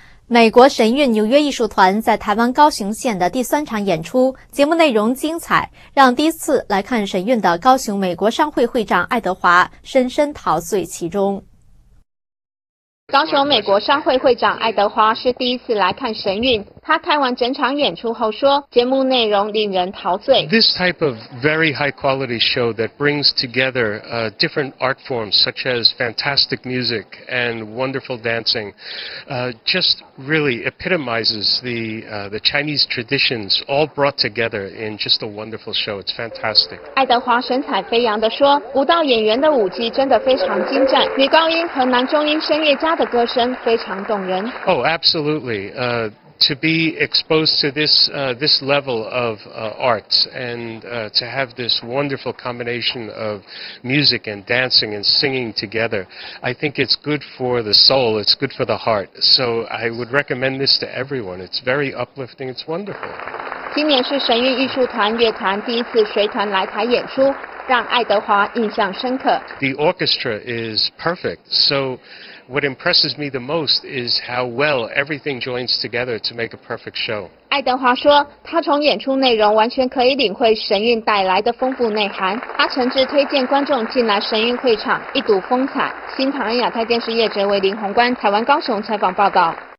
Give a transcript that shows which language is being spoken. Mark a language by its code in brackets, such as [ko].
[zh] 美国神韵纽约艺术团在台湾高雄县的第3场演出节目内容精彩，让第一次来看神韵的高雄美国商会会长爱德华深深陶醉其中。高雄美国商会会长爱德华是第一次来看神韵，他看完整场演出后说节目内容令人陶醉。 [en] This type of very high quality show that brings together different art forms such as fantastic music and wonderful dancing just really epitomizes the Chinese traditions all brought together in just a wonderful show. It's fantastic. [zh] 爱德华神采飞扬地说，舞蹈演员的舞技真的非常精湛，女高音和男中音声乐家他的歌声非常动人。 [en] Oh, absolutely. To be exposed to this level of art and to have this wonderful combination of music and dancing and singing together, I think it's good for the soul, it's good for the heart. So I would recommend this to everyone. It's very uplifting, it's wonderful. [zh] 今年是神韵艺术团乐团第一次随团来台演出，让爱德华印象深刻。 [en] The orchestra is perfect. So,What impresses me the most is how well everything joins together to make a perfect show. [zh] 爱德华说，他从演出内容完全可以领会神韵带来的丰富内涵。他诚挚推荐观众进来神韵会场一睹风采。新唐人亚太电视业者为林宏观，台湾高雄采访报道。